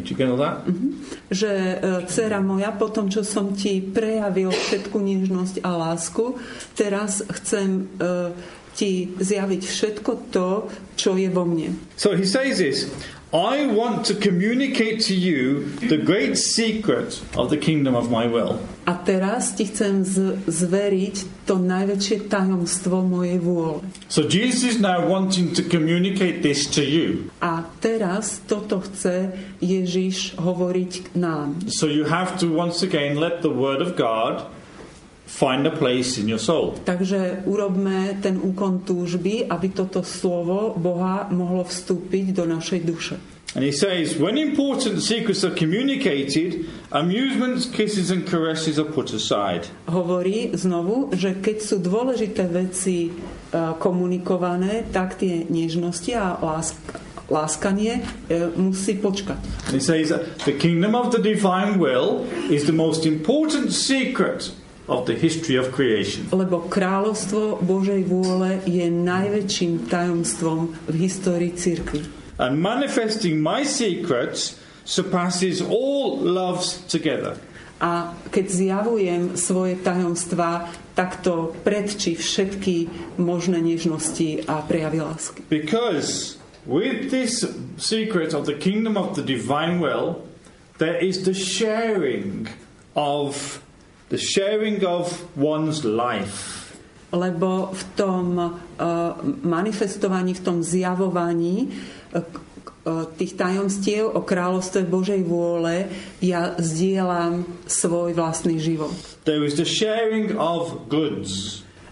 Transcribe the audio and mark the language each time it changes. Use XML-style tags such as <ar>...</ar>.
<en>Do you get all that?</en> <sk>Že dcera moja, po tom, čo som ti prejavil všetku nežnosť a lásku, teraz chcem ti zjaviť všetko to, čo je vo mne.</sk> <en>So he says this, I want to communicate to you the great secret of the kingdom of my will.</en> <sk>A teraz ti chcem zveriť to najväčšie tajomstvo mojej vôle.</sk> <en>So Jesus is now wanting to communicate this to you.</en> <sk>A teraz toto chce Ježiš hovoriť nám.</sk> <en>So you have to once again let the word of God find a place in your soul.</en> <sk>Takže urobme ten úkon túžby, aby toto slovo Boha mohlo vstúpiť do našej duše.</sk> <en>And he says, when important secrets are communicated, amusements, kisses and caresses are put aside.</en> <sk>Hovorí znovu, že keď sú dôležité veci komunikované, tak tie nežnosti a láskanie musí počkať.</sk> <en>And he says, the kingdom of the divine will is the most important secret of the history of creation.</en> <sk>Lebo kráľovstvo Božej vôle je najväčším tajomstvom v histórii cirkvi.</sk> <en>And manifesting my secrets surpasses all loves together.</en> <sk>A keď zjavujem svoje tajomstvá, tak to predčí všetky možné nežnosti a prejavy lásky.</sk> <en>Because with this secret of the kingdom of the divine will, there is the sharing of one's life.</en> <sk>Lebo v tom manifestovaní, v tom zjavovaní tých tajomstiev o kráľovstve Božej vôle ja zdieľam svoj vlastný život.</sk> <en>There is the sharing of goods.</en>